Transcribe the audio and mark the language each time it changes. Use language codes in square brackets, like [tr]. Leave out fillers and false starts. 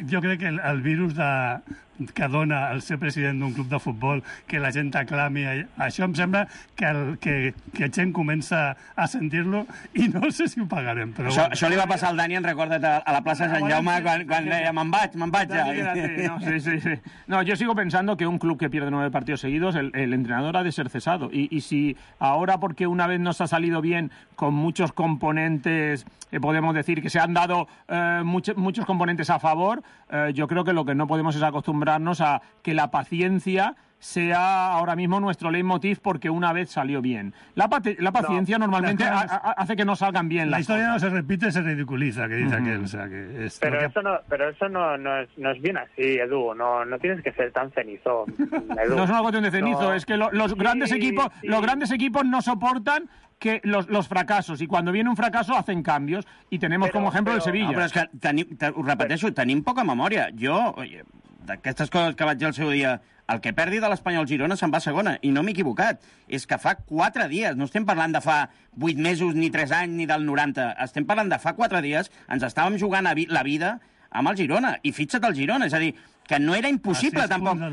[ca] Jo crec que el virus que dona el ser president d'un club de futbol, que la gent aclami... Això em sembla que la gent comença a sentir-lo i no sé si ho pagarem. Però això, bueno. Això li va passar al Dani, en recorda't, a la plaça de Sant Jaume, quan deia, me'n vaig ja. [es] No, jo sigo pensando que un club que pierde 9 partidos seguidos, el entrenador ha de ser cesado. Y si ahora, porque una vez nos ha salido bien con muchos componentes, podemos decir que se han dado muchos componentes a favor, yo creo que lo que no podemos es acostumbrarnos a que la paciencia sea ahora mismo nuestro leitmotiv porque una vez salió bien. La paciencia normalmente hace que no salgan bien las cosas. La historia no se repite, se ridiculiza, que dice aquel. O sea, que es pero, que... eso no es bien así, Edu. No tienes que ser tan cenizo, Edu. No es una cuestión de cenizo. No. Es que los grandes equipos no soportan que los fracassos, i quan viene un fracasso hacen cambios, i tenemos com ejemplo el Sevilla. [ca] No, però és que, ho repeteixo, tenim poca memòria. Jo, d'aquestes coses que vaig dir el seu dia, el que perdi de l'Espanyol Girona se'n va a segona, i no m'he equivocat. És que fa 4 dies, no estem parlant de fa 8 mesos, ni 3 anys, ni del 90, estem parlant de fa 4 dies, ens estàvem jugant la vida amb el Girona, i fitxa't al Girona, és a dir, que no era impossible, tampoc.